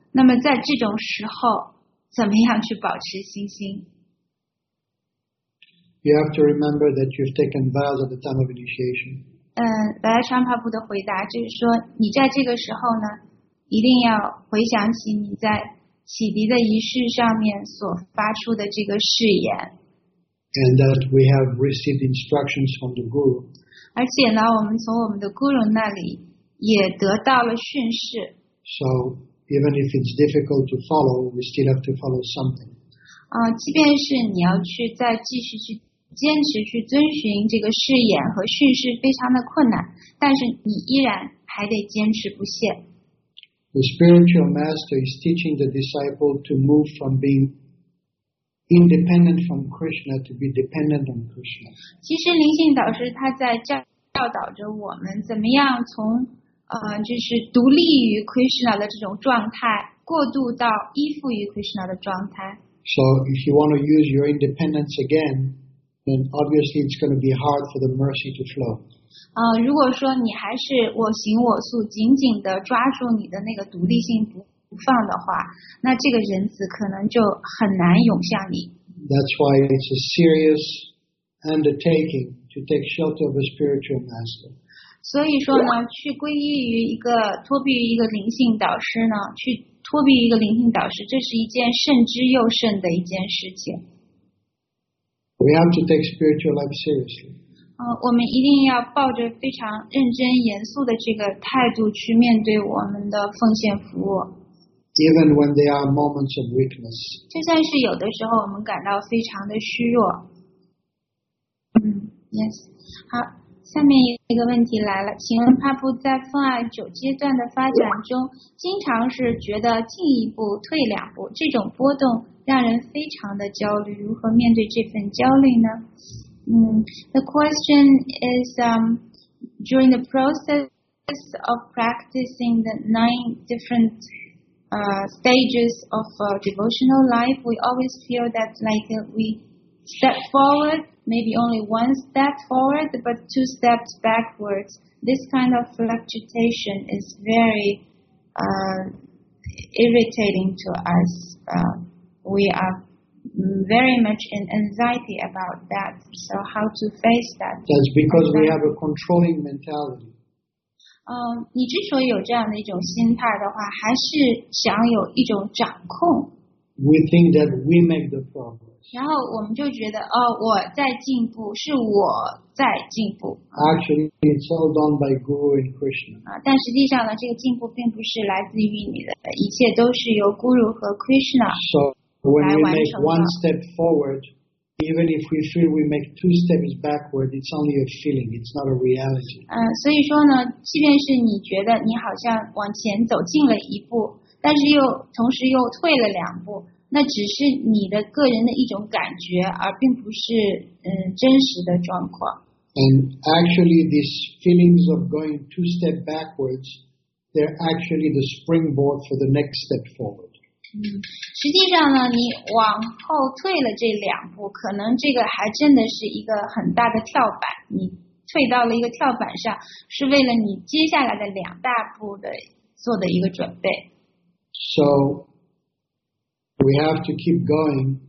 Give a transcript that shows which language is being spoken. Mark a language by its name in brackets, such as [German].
[Chinese] 那么在这种时候，怎么样去保持信心 [English] ？You have to remember that you've taken vows at the time of initiation. [Chinese] 白拉昌帕布的回答就是说，你在这个时候呢，一定要回想起你在启迪的仪式上面所发出的这个誓言。 [English] And that we have received instructions from the guru. [Chinese] 而且呢，我们从我们的 guru 那里也得到了训示。 [English] So. Even if it's difficult to follow, we still have to follow something. [Chinese] 即便是你要去再继续去坚持去遵循这个誓言和训示非常的困难，但是你依然还得坚持不懈。 [English] The spiritual master is teaching the disciple to move from being independent from Krishna to be dependent on Krishna. [Chinese] 其实灵性导师他在教导着我们怎么样从就是独立于 Krishna 的这种状态，过渡到依附于 Krishna 的状态。 [English] So if you want to use your independence again, then obviously it's going to be hard for the mercy to flow. [Chinese] 如果说你还是我行我素，紧紧的抓住你的那个独立性不放的话，那这个仁慈可能就很难涌向你。 [English] That's why it's a serious undertaking to take shelter of a spiritual master. [Chinese] 所以说呢，去皈依于一个托庇于一个灵性导师呢，去托庇于一个灵性导师，这是一件慎之又慎的一件事情。 [English] We have to take spiritual life seriously. [Chinese] 我们一定要抱着非常认真严肃的这个态度去面对我们的奉献服务。 [English] Even when there are moments of weakness. [Chinese] 就算是有的时候我们感到非常的虚弱。 [English] Yes. [Chinese] 好。下面一个问题来了，请问帕布在分爱九阶段的发展中，经常是觉得进一步退两步，这种波动让人非常的焦虑，如何面对这份焦虑呢？ [English] The question is, during the process of practicing the nine different stages of devotional life, we always feel that like we step forward. Maybe only one step forward, but two steps backwards. This kind of fluctuation is very irritating to us. We are very much in anxiety about that. So how to face that? That's because we have a controlling mentality. [Chinese] 你之所以有这样的一种心态的话，还是想有一种掌控。 [English] We think that we make the problem. [Chinese] 然后我们就觉得哦，我在进步，是我在进步。 [English] Actually, it's all done by Guru and Krishna. [Chinese] 但实际上呢，这个进步并不是来自于你的，一切都是由 Guru 和 Krishna 来完成的。 [English] So when we make one step forward, even if we feel we make two steps backward, it's only a feeling. It's not a reality. [Chinese] 所以说呢，即便是你觉得你好像往前走进了一步，但是又同时又退了两步。那只是你的个人的一种感觉，而并不是真实的状况。 [English] And actually, these feelings of going two steps backwards, they're actually the springboard for the next step forward. [Chinese] 实际上呢，你往后退了这两步，可能这个还真的是一个很大的跳板。你退到了一个跳板上，是为了你接下来的两大步的做的一个准备。 [English] So we have to keep going.